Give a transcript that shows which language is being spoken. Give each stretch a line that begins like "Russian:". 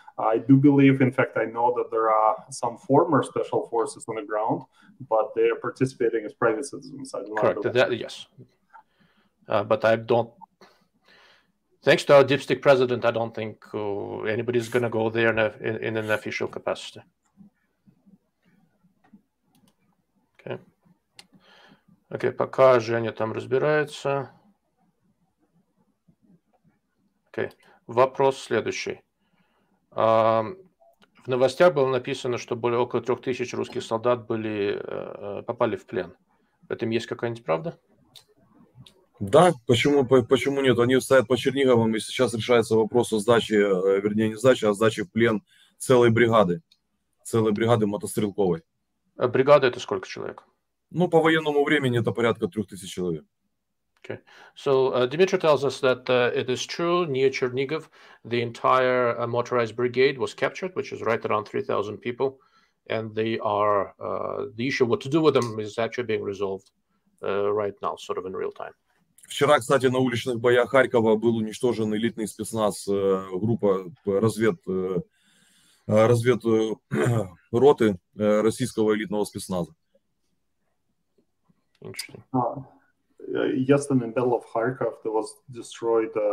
English: I do believe, in fact, I know that there are some former special forces on the ground, but they are participating as private citizens. Correct, that, yes. But I don't, thanks to our dipstick president, I don't think anybody's going to go there in an official capacity. Okay.
Russian: Okay, пока Женя там разбирается. Okay, вопрос следующий. В новостях было написано, что более около 3000 русских солдат были попали в плен. В этом есть какая-нибудь правда? Да, почему, почему нет? Они стоят по Черниговам, и сейчас решается вопрос о сдаче, вернее, не сдаче, а сдаче в плен целой бригады мотострелковой. А бригада – это сколько человек? Ну, по военному времени это порядка 3000 человек. Okay.
English: So, Dmitry tells us that it is true, near Chernigov, the entire motorized brigade was captured, which is right around 3000 people, and they are, the issue what to do with them is actually being resolved right now, sort of in real time.
Russian: Вчера, кстати, на уличных боях Харькова был уничтожен элитный спецназ группа разведроты российского элитного спецназа.
English: Yesterday, in the Battle of Kharkov, there was destroyed.